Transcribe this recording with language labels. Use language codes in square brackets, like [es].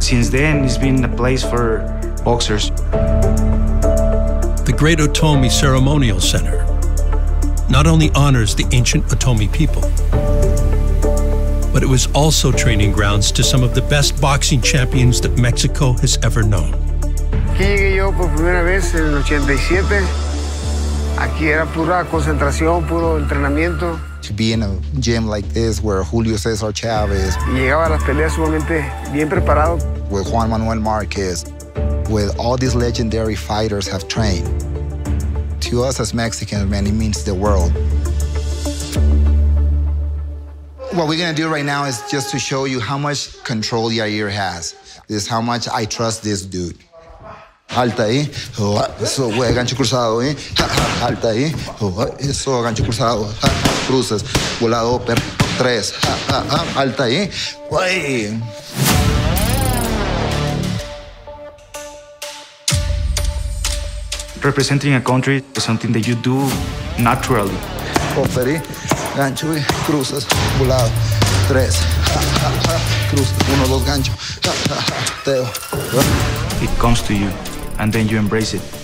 [en] Since then, it's been a place for boxers. The Great Otomi Ceremonial Center not only honors the ancient Otomi people, but it was also training grounds to some of the best boxing champions that Mexico has ever known. [es] Aquí llegué yo por primera vez en el 87. Aquí era pura concentración, puro entrenamiento. [en] to be in a gym like this where Julio Cesar Chavez. [es] Llegaba a las peleas sumamente bien preparado. [en] With Juan Manuel Marquez, with all these legendary fighters have trained. To us as Mexicans, man, it means the world. What we're gonna do right now is just to show you how much control Yair has. This is how much I trust this dude. [es] Alta ahí, eso, güey, gancho cruzado, ¿eh? Alta ahí, eso, gancho cruzado, cruces, volado, tres, alta ahí, güey. [en] Representing a country is something that you do naturally. [es] Oferi, gancho, cruces, volado, tres, cruces, uno, dos, gancho, teo. [en] It comes to you. And then you embrace it.